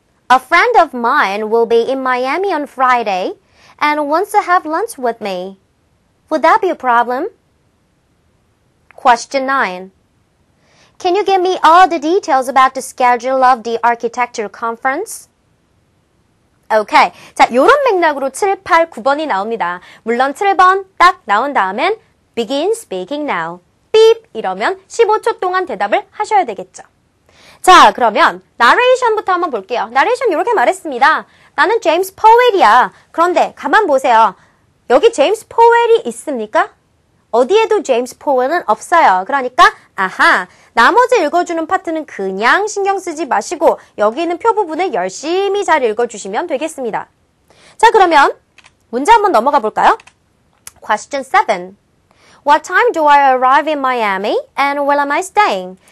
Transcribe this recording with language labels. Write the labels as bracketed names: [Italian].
[English] A friend of mine will be in Miami on Friday and wants to have lunch with me. Would that be a problem? Question 9. Can you give me all the details about the schedule of the architecture conference? Okay. [Korean] 자, 요런 맥락으로 7, 8, 9번이 나옵니다. 물론 7번 딱 나온 다음엔 [English] begin speaking now. [Korean] 삐입 이러면 15초 동안 대답을 하셔야 되겠죠. 자, 그러면 나레이션부터 한번 볼게요. 나레이션 이렇게 말했습니다. 나는 제임스 포웰이야. 그런데 가만 보세요. 여기 제임스 포웰이 있습니까? 어디에도 제임스 포웰은 없어요. 그러니까 아하, 나머지 읽어주는 파트는 그냥 신경 쓰지 마시고 여기 있는 표 부분을 열심히 잘 읽어주시면 되겠습니다. 자, 그러면 문제 한번 넘어가 볼까요? [English] Question 7. What time do I arrive in Miami and where am I staying?